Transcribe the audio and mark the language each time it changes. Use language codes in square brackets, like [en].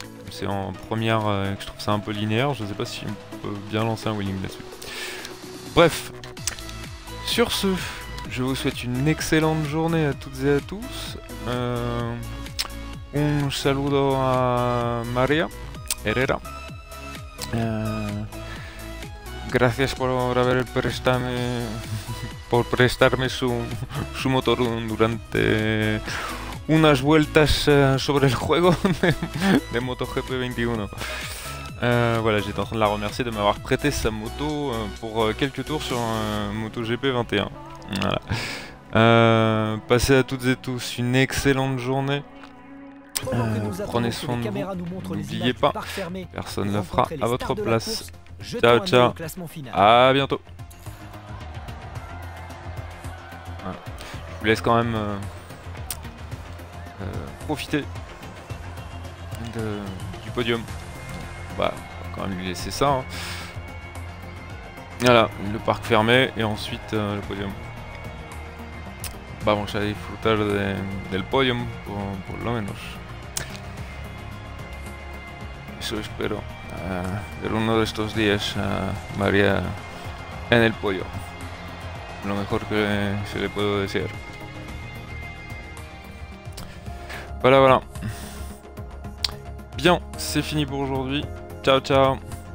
[fr] C'est en première que je trouve ça un peu linéaire. Je sais pas si on peut bien lancer un wheeling là-dessus. Bref, sur ce, je vous souhaite une excellente journée à toutes et à tous. [es] Un saludo à Maria Herrera. Gracias por haber prestado por prestarme su motor durante unas vueltas sobre el juego de MotoGP 21. [fr] Voilà, j'étais en train de la remercier de m'avoir prêté sa moto pour quelques tours sur MotoGP 21. Voilà. Passez à toutes et tous une excellente journée. Prenez soin de vous. N'oubliez pas, personne ne le fera à votre place. Ciao, ciao. À bientôt. Voilà. Je vous laisse quand même profiter du podium. Bah, on va quand même lui laisser ça. Hein. Voilà, le parc fermé et ensuite le podium. [es] Vamos a disfrutar del podium por lo menos. Eso espero. Ver uno de estos días a María en el podio. Lo mejor que se le puedo desear. [fr] Voilà, voilà. Bien, c'est fini pour aujourd'hui. Ciao, ciao.